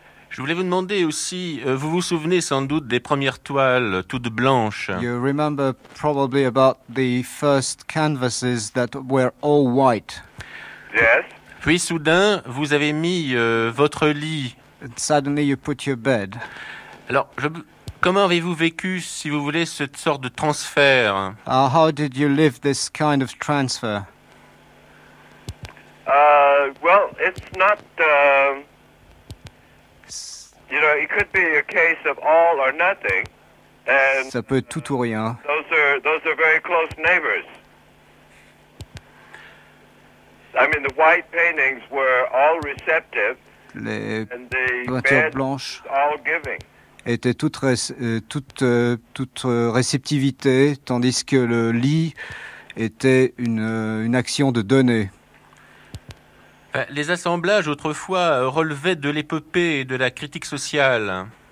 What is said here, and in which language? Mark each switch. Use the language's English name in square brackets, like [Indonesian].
[French] Je voulais vous demander aussi, vous vous souvenez sans doute des premières toiles toutes blanches. [English] You remember probably about the first canvases that were all white. Yes. [French] Puis soudain, vous avez mis votre lit. [English] And suddenly you put your bed. [French] Alors, comment avez-vous vécu, si vous voulez, cette sorte de transfert? [English] How did you live this kind of transfer? Well, it's not. You know, it could be a case of all or nothing. And [French] ça peut être tout ou rien. [English] Those are very close neighbors. I mean, the white paintings were all receptive. [French] Les [English] and the [French] peintures blanches [English] all giving. [French] Étaient toute réceptivité, tandis que le lit était une action de donner. Les assemblages autrefois relevaient de l'épopée et de la critique sociale.